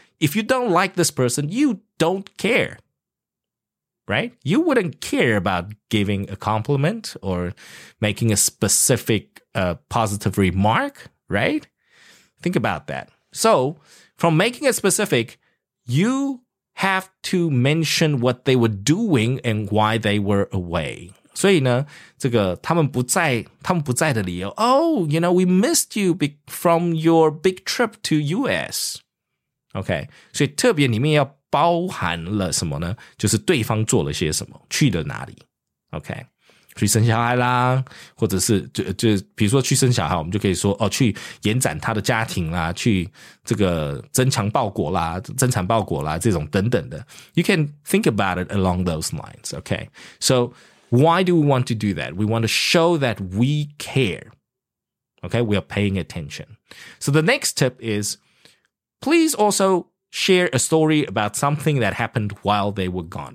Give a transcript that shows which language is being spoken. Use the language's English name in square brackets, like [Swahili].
[English] If you don't like this person, you don't care, right? You wouldn't care about giving a compliment or making a specific, positive remark, right? Think about that. So, from making it specific, you have to mention what they were doing and why they were away. [Chinese] 所以呢，这个他们不在的理由 [English] ，Oh, you know, we missed you from your big trip to U.S. [Chinese] OK， 所以特别里面要包含了什么呢？就是对方做了些什么，去了哪里 ？OK， 去生小孩啦，或者是就比如说去生小孩，我们就可以说哦，去延展他的家庭啦，去这个增强报国啦，这种等等的。 [English] You can think about it along those lines. OK， so why do we want to do that? We want to show that we care. OK， we are paying attention. So the next tip is. Please also share a story about something that happened while they were gone.